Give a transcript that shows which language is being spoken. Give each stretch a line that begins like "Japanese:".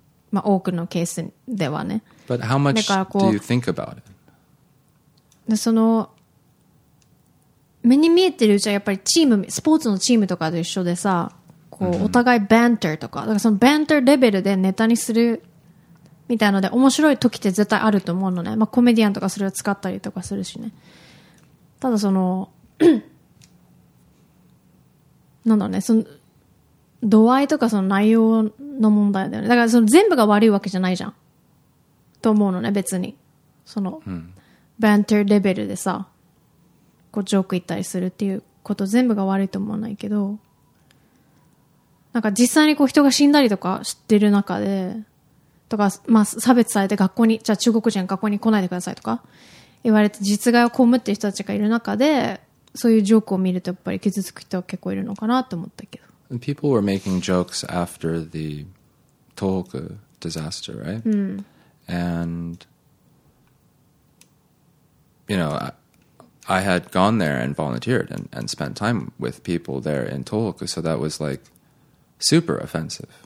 Japanese: まあ多くのケースではね。
English: But how much do you think about it?
Japanese: でその目に見えてるじゃやっぱりチーム、スポーツのチームとかと一緒でさ、こう、mm-hmm. お互いバンターとか、だからそのバンターレベルでネタにする。みたいので面白い時って絶対あると思うのね。まあコメディアンとかそれを使ったりとかするしね。ただその、なんだろうね、その度合いとかその内容の問題だよね。だからその全部が悪いわけじゃないじゃん。と思うのね、別に。その、うん、バンテルレベルでさ、こうジョーク言ったりするっていうこと全部が悪いと思わないけど、なんか実際にこう人が死んだりとか知ってる中で、とか、まあ、差別されて学校に、じゃあ中国人学校に来ないでくださいとか言われて実害を被ってる人たちがいる中で、そういうジョークを見るとやっぱり傷つく人は結構いるのかなと思ったけど。
English: And people were making jokes after the Tohoku disaster, right?、
Japanese: うん、
English: And you know, I had gone there and volunteered and spent time with people there in Tohoku, so that was like super offensive.